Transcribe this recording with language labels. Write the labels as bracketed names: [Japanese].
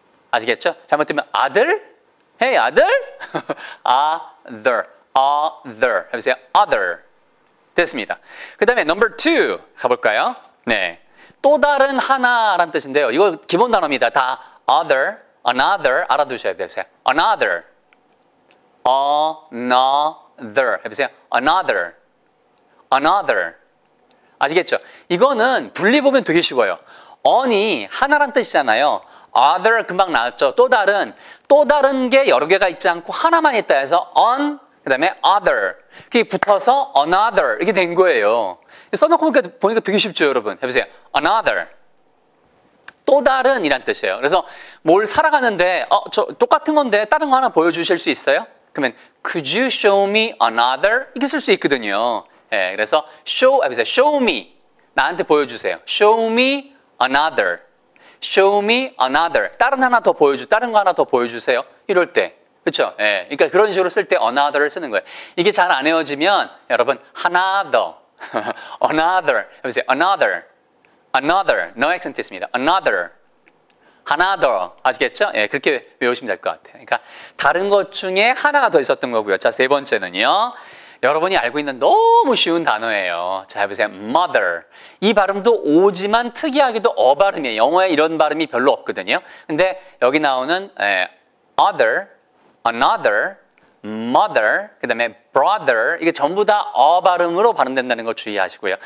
[Korean] 아시겠죠? 잘못되면 아들? 헤이 hey, 아들? other. other 해보세요. other. 됐습니다. 그 다음에 [English] number two [Korean] 가볼까요? 네, 또 다른 하나란 뜻인데요. 이거 기본 단어입니다. 다 other, another 알아두셔야 되세요. [English] another, another 해보세요. another, another 아시겠죠? [Korean] 이거는 분리보면 되게 쉬워요. on이 하나란 뜻이잖아요. other 금방 나왔죠. 또 다른 게 여러 개가 있지 않고 하나만 있다 해서 on 그 다음에 other. 그게 붙어서 another 이렇게 된 거예요. 써놓고 보니까 되게 쉽죠 여러분. 해보세요. another. 또 다른 이란 뜻이에요. 그래서 뭘 살아가는데 저 똑같은 건데 다른 거 하나 보여주실 수 있어요? 그러면 [English] could you show me another? [Korean] 이렇게 쓸 수 있거든요. 예, 그래서 show 해보세요. [English] show me. [Korean] 나한테 보여주세요. [English] show me another. show me another. [Korean] 다른 하나 더 보여주세요. 다른 거 하나 더 보여주세요. 이럴 때. 그렇죠? 예. 그러니까 그런 식으로 쓸 때 another를 쓰는 거예요. 이게 잘 안 헤어지면 여러분 another, another, 해보세요. [English] another, another, no accent [Korean] 있습니다. [English] another, another, [Korean] 아시겠죠? 예, 그렇게 외우시면 될 것 같아요. 그러니까 다른 것 중에 하나가 더 있었던 거고요. 자, 세 번째는요. 여러분이 알고 있는 너무 쉬운 단어예요. 자, 해보세요. mother. 이 발음도 오지만 특이하게도 어 발음이에요. 영어에 이런 발음이 별로 없거든요. 근데 여기 나오는 예, other, another, mother, 그 다음에 brother, 이게 전부 다 어 발음으로 발음된다는 거 주의하시고요.